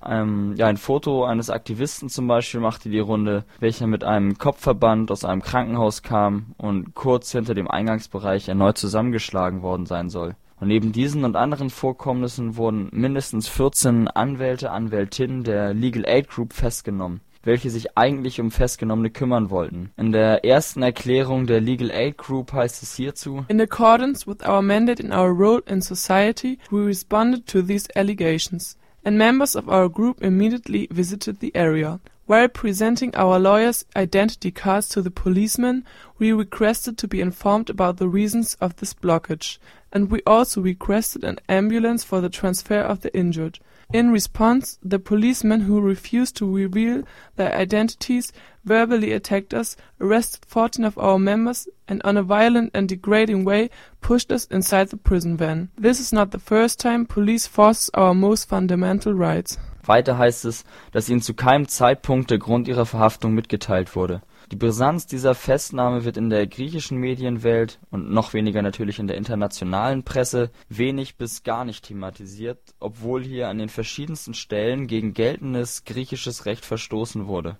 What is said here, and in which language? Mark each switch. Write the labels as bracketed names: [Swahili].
[German] Ein Foto eines Aktivisten zum Beispiel machte die Runde, welcher mit einem Kopfverband aus einem Krankenhaus kam und kurz hinter dem Eingangsbereich erneut zusammengeschlagen worden sein soll. Und neben diesen und anderen Vorkommnissen wurden mindestens 14 Anwälte, Anwältinnen der Legal Aid Group festgenommen, welche sich eigentlich um Festgenommene kümmern wollten. In der ersten Erklärung der Legal Aid Group heißt es hierzu: [English] In accordance with our mandate in our role in society, we responded to these allegations, and members of our group immediately visited the area. While presenting our lawyers' identity cards to the policemen, we requested to be informed about the reasons of this blockage, and we also requested an ambulance for the transfer of the injured. In response, the policemen who refused to reveal their identities verbally attacked us, arrested 14 of our members, and on a violent and degrading way pushed us inside the prison van. This is not the first time police force our most fundamental rights. [German] Weiter heißt es, dass ihnen zu keinem Zeitpunkt der Grund ihrer Verhaftung mitgeteilt wurde. Die Brisanz dieser Festnahme wird in der griechischen Medienwelt und noch weniger natürlich in der internationalen Presse wenig bis gar nicht thematisiert, obwohl hier an den verschiedensten Stellen gegen geltendes griechisches Recht verstoßen wurde.